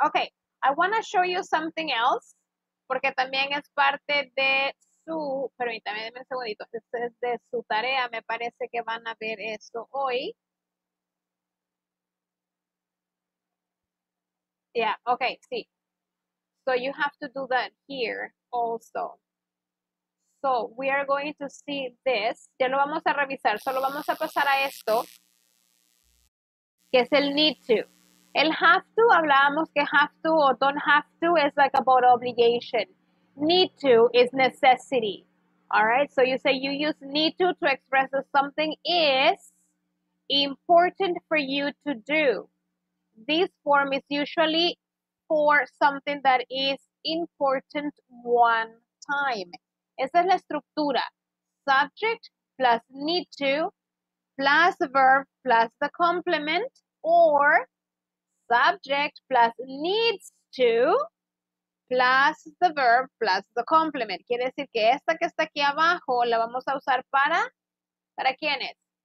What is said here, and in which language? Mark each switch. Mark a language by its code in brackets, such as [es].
[en] Okay, I want to show you something else, [es] porque también es parte de su, permítame, dame un segundito, este es de su tarea, me parece que van a ver esto hoy. [en] Yeah, okay, see. So you have to do that here also. So we are going to see this. [es] Ya lo vamos a revisar. Solo vamos a pasar a esto, que es el need to. El have to, hablábamos que have to o don't have to [en] is like about obligation. Need to is necessity. All right, so you say you use need to express that something is important for you to do. This form is usually for something that is important one time. [es] Esa es la estructura. [en] Subject plus need to plus verb plus the complement, or subject plus needs to plus the verb plus the complement. [es] Quiere decir que esta que está aquí abajo la vamos a usar para quién es?